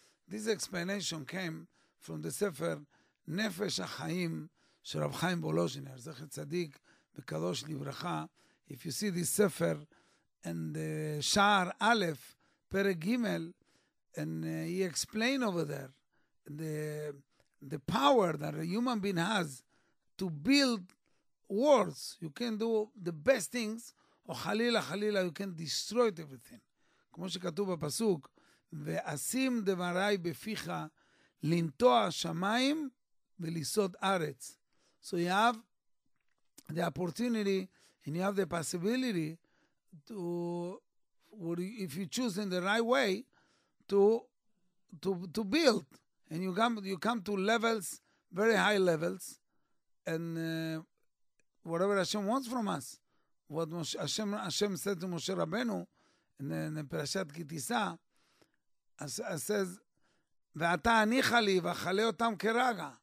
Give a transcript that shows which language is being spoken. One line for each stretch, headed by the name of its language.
English: This explanation came from the sefer Nefesh HaChaim
Hebrew: של רב חיים בולוז'ינר, זכר צדיק וקדוש לברכה.
English: If you see this sefer and
Hebrew: שער א', פרק ג',
English: and he explained over there the power that a human being has to build worlds. You can do the best things,
Hebrew: או חלילה חלילה,
English: you can destroy everything.
Hebrew: כמו שכתוב בפסוק, ועשים דבריי בפיך לנטוע שמיים ולסעוד ארץ.
English: So you have the opportunity and you have the possibility to, if you choose in the right way, to build. And you come to levels, very high levels, and whatever Hashem wants from us, what Hashem said to Moshe Rabbeinu, and then the Parashat Kitisa says,
Hebrew: "Ve'ata anicha li v'achale otam keraga."